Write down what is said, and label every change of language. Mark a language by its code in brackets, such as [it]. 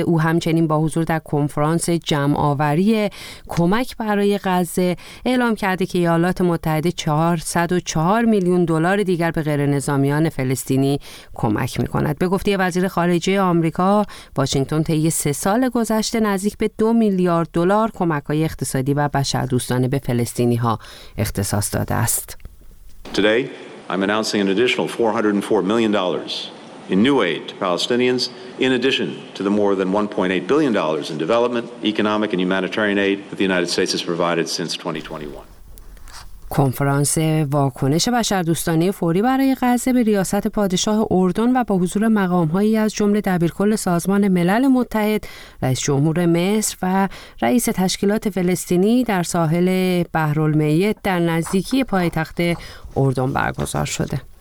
[fa] او همچنین با حضور در کنفرانس جمع‌آوری کمک برای غزه اعلام کرده که ایالات متحده 404 میلیون دلار دیگر به غیر نظامیان فلسطینی کمک می‌کند. به گفته وزیر خارجه آمریکا، واشنگتن طی 3 سال گذشته نزدیک به 2 میلیارد دلار کمک‌های اقتصادی و بشردوستانه به فلسطینی‌ها اختصاص داده است. [en] Today I'm announcing an additional $404 million in new aid to Palestinians, in addition to the more than $1.8 billion in development, economic and humanitarian aid that the United States has provided since 2021. [fa] کنفرانس واکنش بشردوستانه فوری برای غزه به ریاست پادشاه اردن و با حضور مقام‌هایی از جمله دبیرکل سازمان ملل متحد، رئیس جمهور مصر و رئیس تشکیلات فلسطینی در ساحل بحرالمیت در نزدیکی پایتخت اردن برگزار شده.